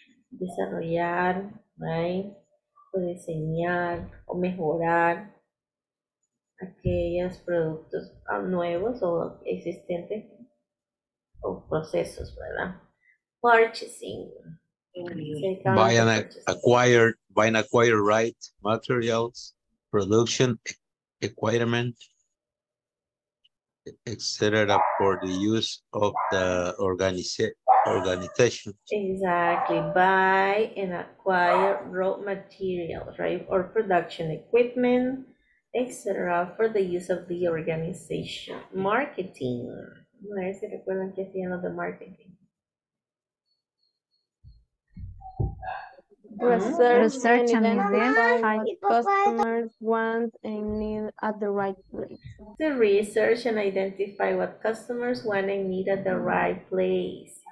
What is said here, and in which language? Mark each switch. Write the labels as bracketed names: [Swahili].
[Spanish] Desarrollar, right? O diseñar o mejorar aquellos productos nuevos o existentes o procesos, ¿verdad? [English] Purchasing. Buy and acquire right materials, production equipment, etc. for the use of the organization. Exactly. Buy and acquire raw materials, right? Or production equipment, etc. for the use of the organization. Marketing. [Spanish] A ver si recuerdan que hacían lo de marketing. [English] Research and identify customers want and need at the right place. To research and identify what customers want and need at the right place.